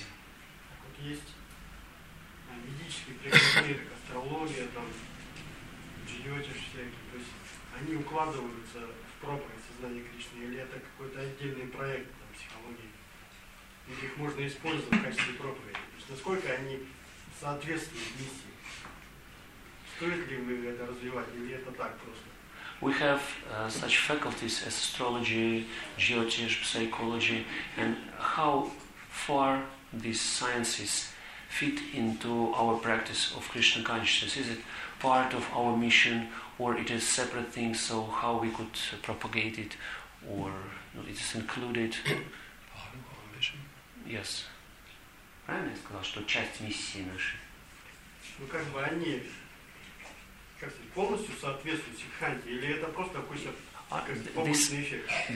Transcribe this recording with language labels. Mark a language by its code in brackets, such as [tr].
[ru] Так вот есть ведические приговоры, как астрология, там, джиотиш всякие, то есть они укладываются в проповедь сознания Кришны, или это какой-то отдельный проект там, психологии, или их можно использовать в качестве проповеди, то есть насколько они соответствуют миссии? Стоит ли мы это развивать или это так просто? [en] We have such faculties as astrology, geotech, psychology, and how far these sciences fit into our practice of Krishna consciousness? Is it part of our mission, or it is separate thing? So how we could propagate it, or no, it is included? Part of our mission. Yes. [ru] Правильно я сказал, что часть миссии нашей. Ну как бы они, как сказать, полностью соответствуют сикханте, или это просто какой-то побочный эффект?